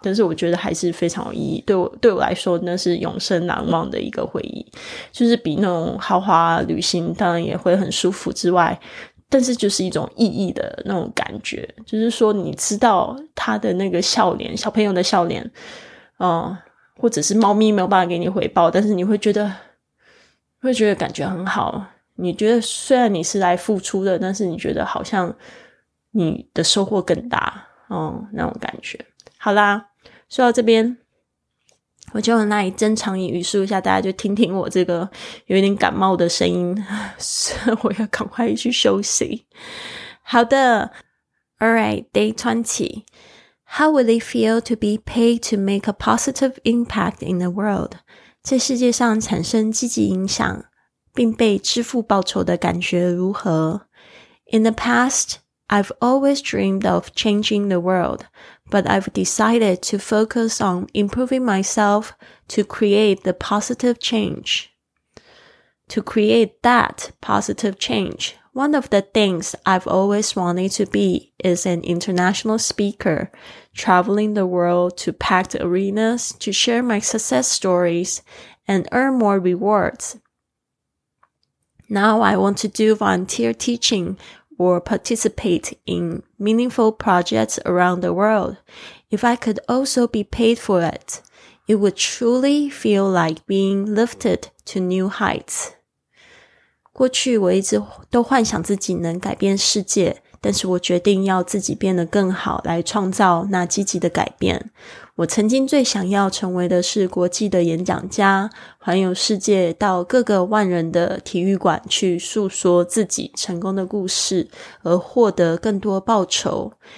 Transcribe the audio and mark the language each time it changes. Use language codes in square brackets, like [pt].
[zh] 但是我觉得还是非常有意义，对我来说那是永生难忘的一个回忆，就是比那种豪华旅行当然也会很舒服之外，但是就是一种意义的那种感觉，就是说你知道他的那个笑脸，小朋友的笑脸或者是猫咪没有办法给你回报，但是你会觉得感觉很好，你觉得虽然你是来付出的，但是你觉得好像你的收获更大哦，那种感觉。好啦，说到这边我就很来珍藏语速一下，大家就听听我这个有点感冒的声音，所以我要赶快去休息。好的 [en] Alright, day 20. How would they feel to be paid to make a positive impact in the world? [zh] 在世界上产生积极影响并被支付报酬的感觉如何？ [en] In the past,I've always dreamed of changing the world, but I've decided to focus on improving myself to create the positive change. To create that positive change, one of the things I've always wanted to be is an international speaker, traveling the world to packed arenas to share my success stories and earn more rewards. Now I want to do volunteer teaching, or participate in meaningful projects around the world. If I could also be paid for it, it would truly feel like being lifted to new heights. [zh] 过去我一直都幻想自己能改变世界，但是我决定要自己变得更好，来创造那积极的改变。我曾经最想要成为的是国际的演讲家，环游世界到各个万人的体育馆去诉说自己成功的故事，而获得更多报酬。